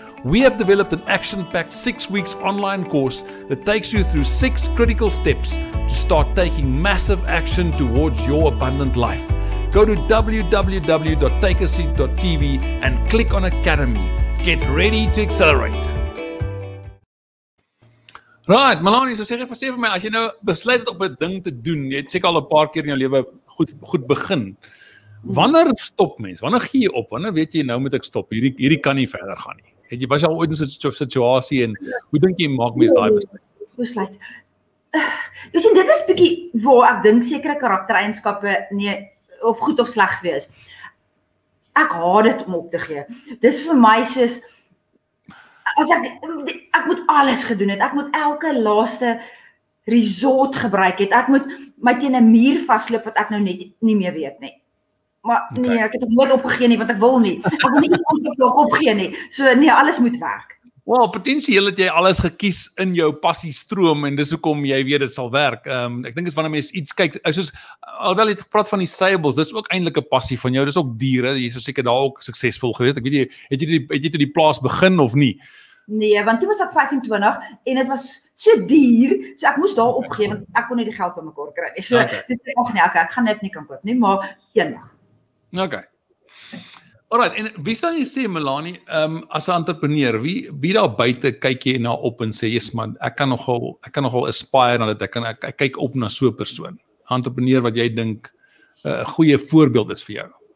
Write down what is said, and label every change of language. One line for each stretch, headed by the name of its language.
English: We have developed an action-packed 6 weeks online course that takes you through 6 critical steps to start taking massive action towards your abundant life. Go to www.takeaseat.tv and click on Academy. Get ready to accelerate.
Afrikaans: Right, Melanie, so sê vir my, as jy nou besluit het op 'n ding te doen, jy het seker al 'n paar keer in jou lewe goed begin. Wanneer stop mens? Wanneer gee jy op? Wanneer weet jy nou moet ek stop? Hierdie kan nie verder gaan nie. Het jy was al ooit in so'n situasie en hoe dink jy maak mens daai besluit? besluit. Dus en dit is een bietjie waar ek dink sekere karaktereienskappe nie of goed of sleg wees. Ek haat dit om op te gee. Dis vir my soos as ek moet alles gedoen het. Ek moet elke laaste resort gebruik het. Ek moet my teen 'n muur vasloop wat ek nou net nie meer weet nie. Maar nee, ek het nooit opgegee nie, want ek wil nie. Ek wil nie iets anders opgee nie. So nee, alles moet werk. Wel, potentieel het jy alles gekies in jou passiestroom en dis hoekom jy weet dit sal werk. Ek dink is wanneer mens iets kyk, soos alhoewel jy het gepraat van die sables, dis ook eintlik 'n passie van jou. Dis ook diere, jy sou seker daar ook suksesvol gewees. Ek weet jy het jy die plaas begin of nie? Nee, want toe was ek 25 en dit was so duur, so ek moes daar opgee want ek kon nie die geld by mekaar kry nie. So dis nog nie, okay, ek gaan net nie kan koop nie, maar eendag. Okay. Alright, en wie sal jy sê, Melanie, as 'n entrepreneur, wie daar buite kyk jy na op en sê, yes man, ek kan nogal aspire na dit, ek kyk op na so 'n persoon. Entrepreneur wat jy dink 'n goeie voorbeeld is vir jou.